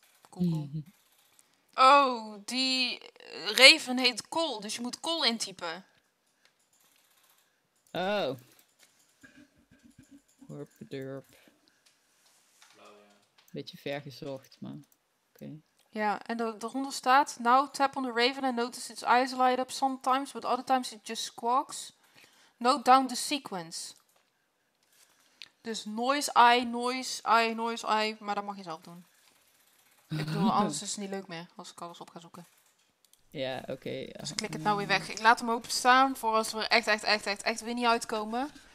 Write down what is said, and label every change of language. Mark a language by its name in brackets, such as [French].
[Dutch] Google. Oh, die reven heet kool, dus je moet kool intypen. Oh. Horpederp. Beetje ver gezocht, maar oké. Ja, en daaronder staat... [English] Now tap on the raven and notice its eyes light up sometimes, but other times it just squawks. Note down the sequence. [Dutch] Dus noise eye, maar dat mag je zelf doen. Ik bedoel, anders is het niet leuk meer als ik alles op ga zoeken. Ja, oké. Okay. Dus ik klik het nou weer weg. Ik laat hem openstaan voor als we echt weer niet uitkomen.